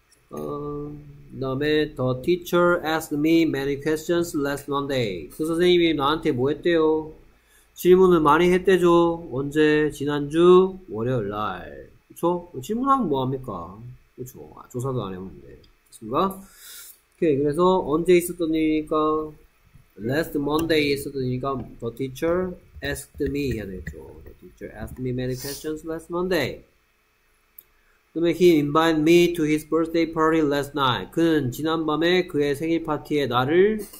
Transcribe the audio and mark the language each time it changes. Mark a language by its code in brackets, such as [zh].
[ko] 그 다음에 [en] the teacher asked me many questions last Monday. [ko] 그 선생님이 나한테 뭐 했대요? 질문을 많이 했대죠. 언제? 지난주 월요일날. 그쵸? 질문하면 뭐합니까? 그쵸? 아, 조사도 안 했는데. 됐습니까? 오케이. 그래서 언제 있었던 일이니까 last Monday 있었던 일이니까 [en] the teacher asked me [ko] 해야 되겠죠. [en] The teacher asked me many questions last Monday. [ko] 그다음에 [en] he invited me to his birthday party last night. [ko] 그는 지난밤에 그의 생일 파티에 나를